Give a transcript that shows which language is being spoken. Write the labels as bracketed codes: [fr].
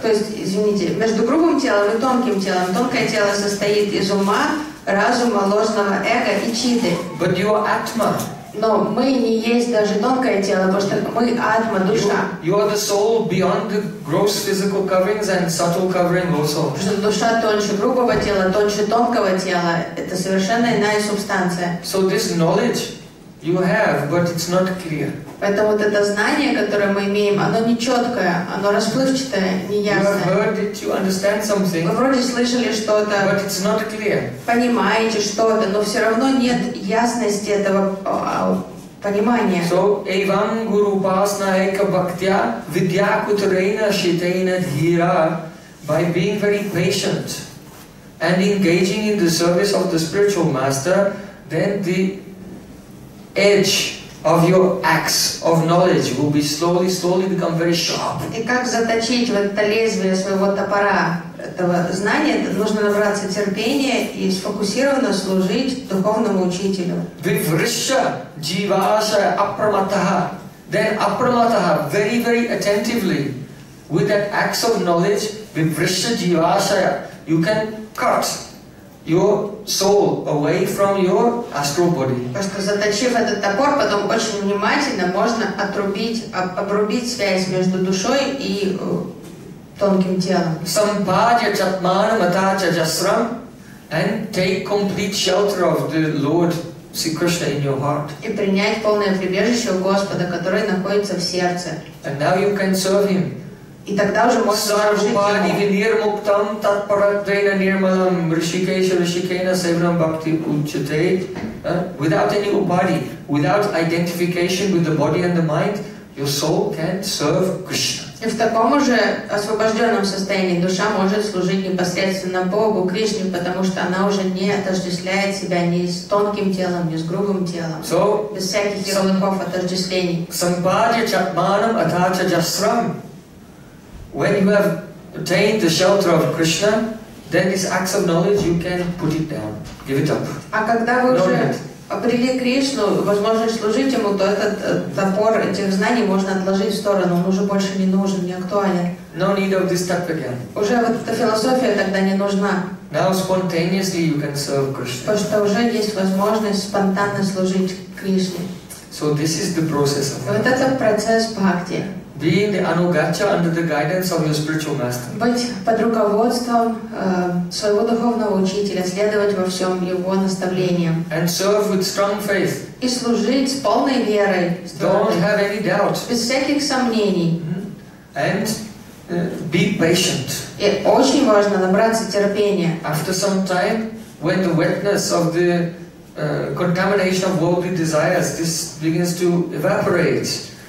[ru] То есть, извините, между грубым телом и тонким телом. Тонкое тело состоит из ума, разума, ложного эго и читты. [en] But your atma. [ru] Но мы не есть даже тонкое тело, потому что мы атма, душа. [en] You are the soul beyond the gross physical coverings and subtle covering also. [ru] Потому что душа тоньше грубого тела, тоньше тонкого тела. Это совершенно иная субстанция. [en] So this knowledge you have, but it's not clear. [ru] Поэтому вот это знание, которое мы имеем, оно нечеткое, оно расплывчатое, неясное. [en] You have heard it, you understand something. [ru] Вы вроде слышали что-то. [en] But it's not clear. [ru] Понимаете что-то, но все равно нет ясности этого понимания. [sa] So, Evam Guru Pasna Eka Bhaktya Vidya Kutreina Shitaina Dhira, [en] by being very patient and engaging in the service of the spiritual master, then the edge of your axe of knowledge will be slowly, slowly become very sharp. [ru] И как заточить в это лезвие своего топора этого знания? Нужно набраться терпения и сфокусированно служить духовному учителю. [sa] Vivrishya jivasa apramataha. [en] Then apramataha, very, very attentively, with that axe of knowledge, [sa] vivrishya jivasa, [en] you can cut your soul away from your astral body. [ru] Просто заточив этот топор, потом очень внимательно можно обрубить связь между душой и тонким телом. [sa] Sampadya chatmana matacha jasram, [en] and take complete shelter of the Lord Sri Krishna in your heart. [ru] И принять полное прибежище у Господа, который находится в сердце. [en] And now you can serve Him. [ru] И тогда уже можно служить. [en] Without any upadi, without identification with the body and the mind, your soul can serve Krishna. [ru] И в таком уже освобожденном состоянии душа может служить непосредственно Богу, Кришне, потому что она уже не отождествляет себя ни с тонким телом, ни с грубым телом, [en] so, [ru] без всяких ярлыков отождествлений. [sa] Sampadya chatmanam atacha jasram. [en] When you have attained the shelter of Krishna, then this axe of knowledge you can put it down, give it up. [ru] А когда вы уже обрели Кришну, возможность служить ему, то этот топор этих знаний можно отложить в сторону, он уже больше не нужен, не актуален. [en] No need of this step again. [ru] Уже вот эта философия тогда не нужна. [en] Now spontaneously you can serve Krishna. [ru] Потому что уже есть возможность спонтанно служить Кришне. [en] So this is the process of [ru] Bhakti. Вот это процесс Бхакти. [en] Being the anugacha under the guidance of your spiritual master. [ru] Быть под руководством своего духовного учителя, следовать во всем его наставлениям. [en] And serve with strong faith. [ru] И служить с полной верой. [en] Don't have any doubt. [ru] Без всяких сомнений. [en] And be patient. [ru] И очень важно набраться терпения. [en] After some time, when the wetness of the contamination of worldly desires, this begins to evaporate.